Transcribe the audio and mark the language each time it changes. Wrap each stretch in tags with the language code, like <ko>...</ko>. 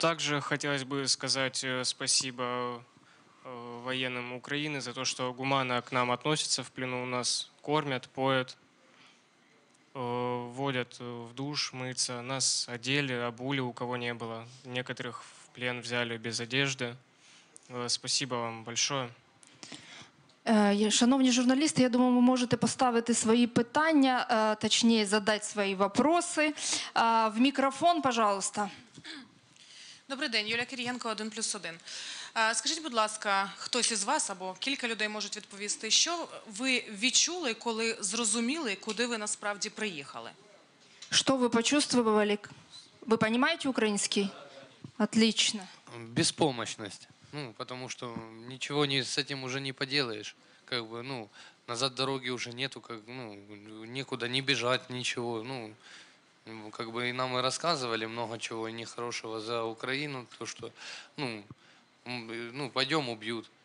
<ru>Также хотелось бы сказать спасибо военным Украины за то, что гуманно к нам относятся в плену. У нас кормят, поят, водят в душ мыться. Нас одели, обули, у кого не было. Некоторых в плен взяли без одежды. Спасибо вам большое.</ru> <uk>Шановні журналісти, я думаю, ви можете поставити свої питання, точніше, задати свої питання в мікрофон,</uk> <ru>пожалуйста.</ru> <uk>Добрий день, Юлія Кирієнко, 1+1. Скажіть, будь ласка, хтось із вас або кілька людей можуть відповісти, що ви відчули, коли зрозуміли, куди ви насправді приїхали? Що ви</uk> <ru>почувствовали?</ru> <uk>Ви розумієте український?</uk> <ru>Отлично.</ru> <uk>Безпомощність.</uk> <ru>Ну, потому что ничего не, с этим уже не поделаешь. Как бы, ну, назад дороги уже нету, как, ну, некуда не бежать, ничего. Ну, как бы нам и рассказывали много чего нехорошего за Украину, то, что, ну, ну, пойдем, убьют.</ru>